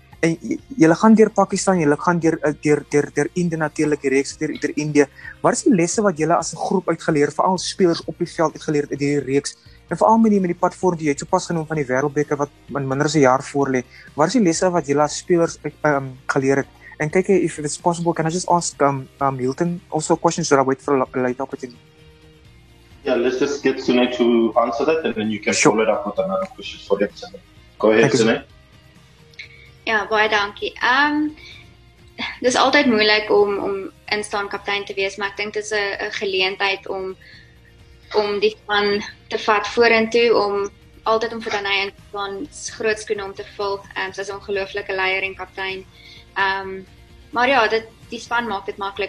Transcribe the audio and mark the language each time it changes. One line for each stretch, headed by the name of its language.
Afrikaans: en julle gaan deur Pakistan, julle gaan deur Indië natuurlik, die reeks deur Indië. Wat is die lesse wat julle as 'n groep uitgeleer, veral spelers op die veld uitgeleer uit hierdie reeks? En veral met die platform die jy het sopas genoem van die Wêreldbeker wat in minder as 'n jaar voor lê. Wat is die lesse wat julle as spelers geleer het?
English: And KK, if it's possible, can I just ask Hilton also questions so that I wait for a light opportunity? Yeah, let's just get Sunay to answer that and then you can follow it up with another question for him. Go ahead, Sunay. Yeah, boy, thank you.
Afrikaans: Dis altyd moeilik om instaan kaptein te wees, maar ek dink dis 'n geleentheid om die span te vat vorentoe, om altyd om vir Danai en van groot skoene om te vul. Sy's 'n ongelooflike leier en kaptein. Maar ja, die span maak dit maklik.